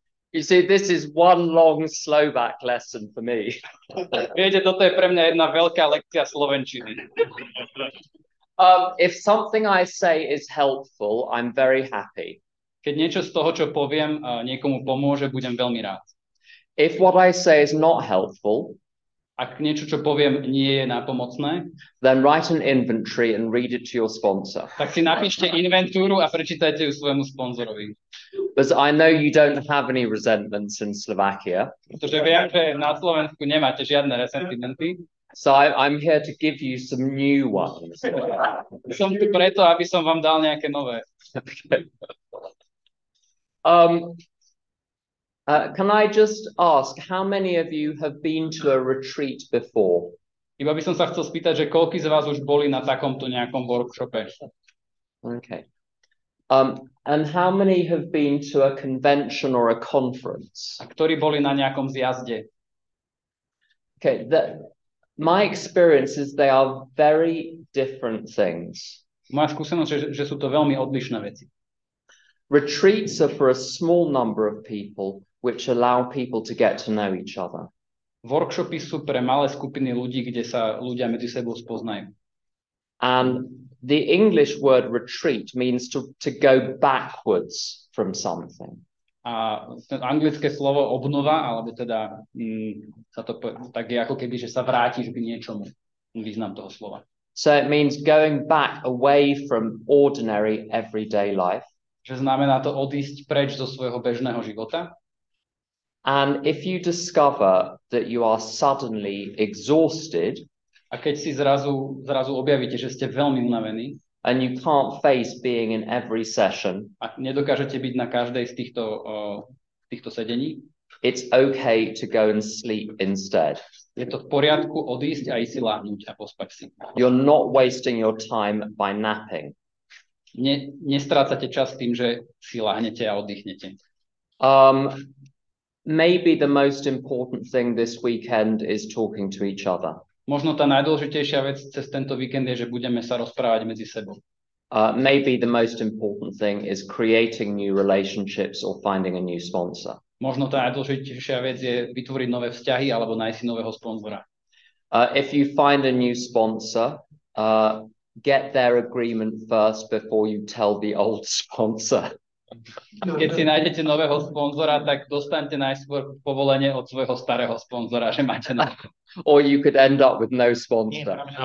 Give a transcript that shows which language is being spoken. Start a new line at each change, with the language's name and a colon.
English: You see, this is one long Slovak lesson for me.
Slovak: Viete, toto je pre mňa jedna veľká lekcia slovenčiny.
English: If something I say is helpful, I'm very happy.
Slovak: Keď niečo z toho, čo poviem, niekomu pomôže, budem veľmi rád.
English: If what I say is not helpful,
Slovak: ak niečo, čo poviem, nie je napomocné,
English: then write an inventory and read it to your sponsor.
Slovak: Tak si napíšte inventúru a prečítajte ju svojemu sponzorovi.
English: Because I know you don't have any resentments in Slovakia.
Slovak: Pretože viem, že na Slovensku nemáte žiadne resentimenty.
English: So I'm here to give you some new ones.
Slovak: Som tu preto, aby som vám dal nejaké nové.
English: Can I just ask how many of you have been to a retreat before?
Slovak: Iba by som sa chcel spýtať, že koľký z vás už boli na takomto nejakom workshope.
English: Okay. And how many have been to a convention or a conference?
Slovak: A ktorí boli na nejakom zjazde?
English: Okay, my experience is they are very different things.
Slovak: Moja skúsenosť je, že sú to veľmi odlišné veci.
English: Retreats are for a small number of people, which allow people to get to know each other.
Slovak: Workshopy sú pre malé skupiny ľudí, kde sa ľudia medzi sebou spoznajú.
English: And the English word retreat means to go backwards from something.
Slovak: A anglické slovo obnova, alebo teda sa to tak je ako keby, že sa vrátiš k niečomu, význam toho slova.
English: So it means going back away from ordinary everyday life.
Slovak: Že znamená to odísť preč zo svojho bežného života.
English: And if you discover that you are suddenly exhausted,
Slovak: a keď si zrazu objavíte, že ste veľmi unavení,
English: and you can't face being in every session,
Slovak: a nedokážete byť na každej z týchto sedení,
English: it's okay to go and sleep instead.
Slovak: Je to v poriadku odísť a ísť si láhnuť a pospať si.
English: You're not wasting your time by napping.
Slovak: Nestrácate čas tým, že si láhnete a oddychnete.
English: Maybe the most important thing this weekend is talking to each other.
Slovak: Možno tá najdôležitejšia vec cez tento víkend je, že budeme sa rozprávať medzi sebou.
English: Maybe the most important thing is creating new relationships or finding a new sponsor.
Slovak: Možno tá najdôležitejšia vec je vytvoriť nové vzťahy alebo nájsť nového sponzora.
English: If you find a new sponsor, get their agreement first before you tell the old sponsor.
Slovak: Keď si nájdete nového sponzora, tak dostanete najskôr povolenie od svojho starého sponzora, že máte nového.
English: Or you could end up with no sponsor.